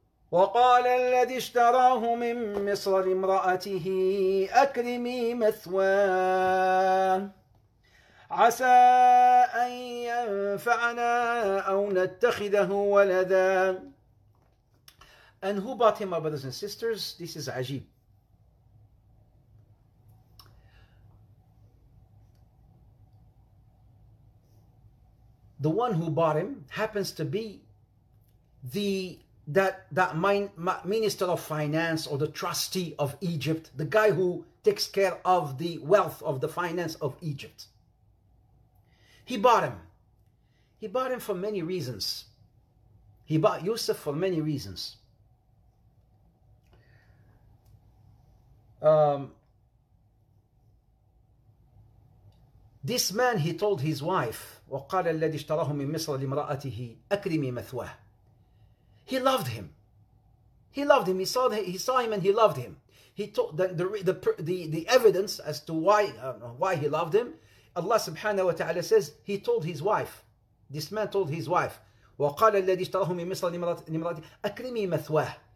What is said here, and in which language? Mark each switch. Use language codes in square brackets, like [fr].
[ar] وقال الذي اشتراه من مصر لامرأته أكرمي مثواه عسى أن ينفعنا أو نتخذه ولدا. [en] And who bought him, my brothers and sisters? This is عجيب. The one who bought him happens to be that minister of finance or the trustee of Egypt, the guy who takes care of the wealth of the finance of Egypt. He bought him. He bought him for many reasons. He bought Yusuf for many reasons. This man, he told his wife, [ar] وَقَالَ الَّذِي اشْتَرَاهُ مِنْ مِصْرَ لِمْرَأَتِهِ أَكْرِمِي مَثْوَاهُ. [en] He loved him. He loved him. He saw him and he loved him. He told the evidence as to why he loved him. Allah subhanahu wa ta'ala says, he told his wife, this man told his wife, [ar] وَقَالَ الَّذِي اشْتَرَاهُ مِنْ مِصْرَ لِمْرَأَتِهِ أَكْرِمِي مَثْوَاهُ.